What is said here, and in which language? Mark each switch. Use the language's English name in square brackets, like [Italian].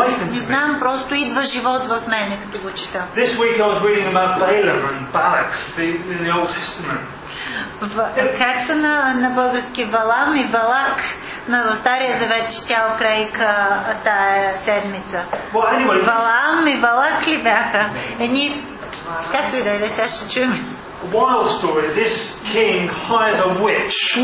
[Bulgarian] Не знам, просто идва живот в мене, като го чета. [English] This week I was reading about Balaam and Balak in the Old Testament. [Bulgarian] Както на български Балам и Балак, но в Стария Завет четял край тая седмица. Балам и Балак ли бяха? Едни, както и да е, сега ще чуем. [English] Wild story. This king hires a witch.